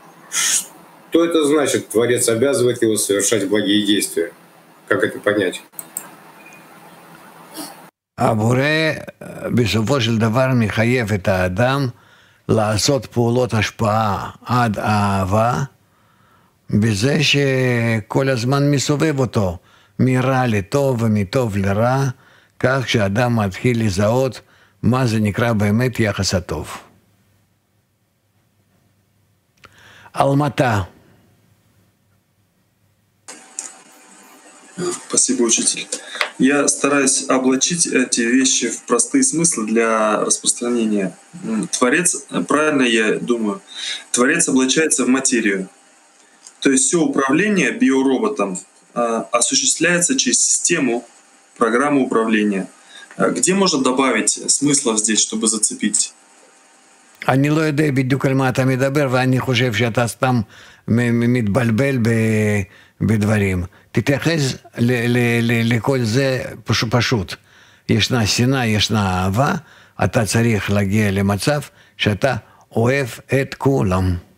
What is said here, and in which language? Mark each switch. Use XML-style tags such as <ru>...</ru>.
<ru>Что это значит, творец обязывает его совершать благие действия? Как это понять?</ru> <he>Абуре בסופו של דבר מחייב את האדם לעשות פעולות השפעה עד אהבה, בזה שכל הזמן מסובב אותו, מרע לטוב ומטוב לרע, כך שאדם מתחיל לזהות מה זה נקרא באמת יחס הטוב.</he> <ru>Алмата. Спасибо, учитель. Я стараюсь облачить эти вещи в простые смыслы для распространения. Творец, правильно я думаю, творец облачается в материю. То есть все управление биороботом осуществляется через систему, программу управления. Где можно добавить смысла здесь, чтобы зацепить?</ru> <he>אני לא יודע בדיוק על מה אתה מדבר, ואני חושב שאתה סתם מתבלבל בדברים. תתייחס לכל זה פשוט. ישנה שנאה, ישנה אהבה, אתה צריך להגיע למצב שאתה אוהב את כולם.</he>